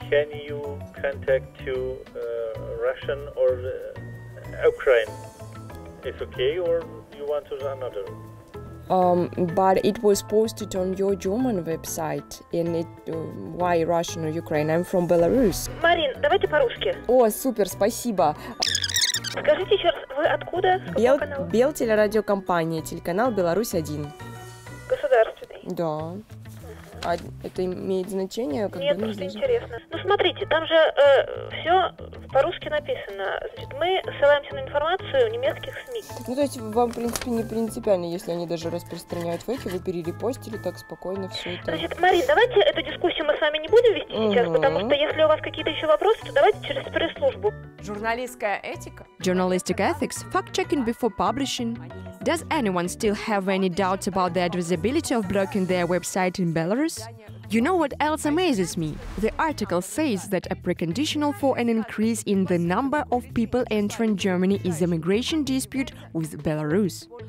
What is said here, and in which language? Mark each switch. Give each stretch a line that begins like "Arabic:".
English: can you contact to Russian or Ukraine? It's okay, or you want to another? But it was posted on your German website, and it why Russian or Ukraine? I'm from Belarus.
Russian: Марин, давайте по-русски. О, супер, спасибо. Скажите еще раз, вы откуда? Бел телерадиокомпания, телеканал Беларусь 1. Государственный. Да. А это имеет значение? Как нет, бы, просто интересно. Ну, смотрите, там же все по-русски написано. Значит, мы ссылаемся на информацию немецких СМИ. Ну, то есть вам, в принципе, не принципиально, если они даже распространяют фейки, вы перерепостили так спокойно все это. Значит, Марин, давайте эту дискуссию мы с вами не будем вести сейчас, потому что если у вас какие-то еще вопросы, то давайте через пресс-службу. Журналистская этика.
English: Journalistic ethics. Fact-checking before publishing. Does anyone still have any doubts about the advisability of blocking their website in Belarus? You know what else amazes me? The article says that a preconditional for an increase in the number of people entering Germany is a migration dispute with Belarus.